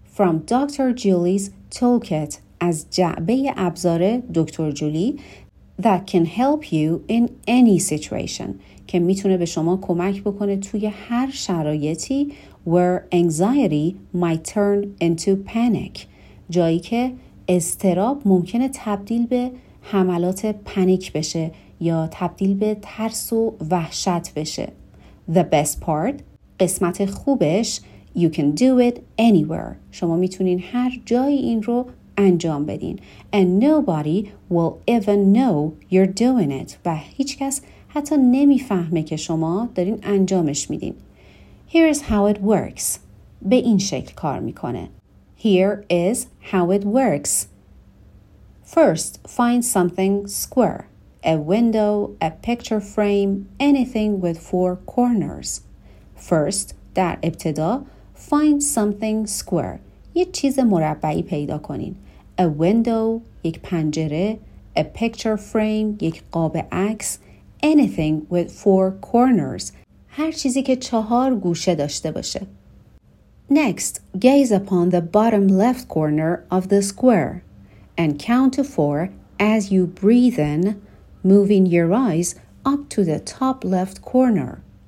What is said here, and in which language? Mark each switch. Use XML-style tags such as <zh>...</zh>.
<en>From Dr. Julie's toolkit,</en> <fa>از جعبه ابزار دکتر جولی,</fa> <en>that can help you in any situation,</en> <fa>که میتونه به شما کمک بکنه توی هر شرایطی,</fa> <en>where anxiety might turn into panic,</en> <fa>جایی که اضطراب ممکنه تبدیل به حملات پانیک بشه یا تبدیل به ترس و وحشت بشه.</fa> <en>The best part,</en> <fa>قسمت خوبش,</fa> <en>you can do it anywhere.</en> <fa>شما میتونین هر جایی این رو انجام بدین.</fa> <en>And nobody will even know you're doing it.</en> <fa>و هیچ کس حتی نمیفهمه که شما دارین انجامش میدین.</fa> <en>Here is how it works.</en> <fa>به این شکل کار میکنه.</fa> <en>Here is how it works. First, find something square. A window, a picture frame, anything with four corners. First,</en> <fa>در ابتدا,</fa> <en>find something square.</en> <fa>یه چیز مربعی پیدا کنین.</fa> <en>A window,</en> <fa>یک پنجره,</fa> <en>a picture frame,</en> <fa>یک قاب عکس,</fa> <en>anything with four corners.</en> <fa>هر چیزی که چهار گوشه داشته باشه.</fa> <en>Next, gaze upon the bottom left corner of the square and count to four as you breathe in, moving your eyes up to the top left corner.</en>